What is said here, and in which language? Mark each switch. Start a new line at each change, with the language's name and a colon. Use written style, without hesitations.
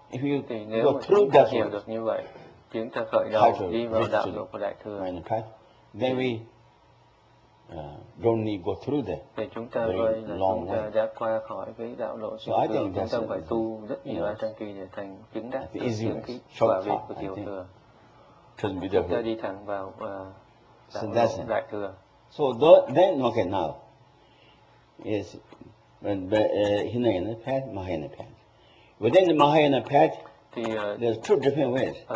English: If you go through that then we don't need go through that.
Vietnamese: Thì chúng ta coi là chúng ta đã qua khỏi cái đạo lộ sinh tử, chúng ta phải tu rất nhiều trong kỳ để thành chứng đắc những cái quả vị của tiểu thừa. Chúng ta đi thẳng vào đạo lộ đại thừa.
English: So then okay now is when Hinayana path, Mahayana path. Within the Mahayana path, there's two different ways.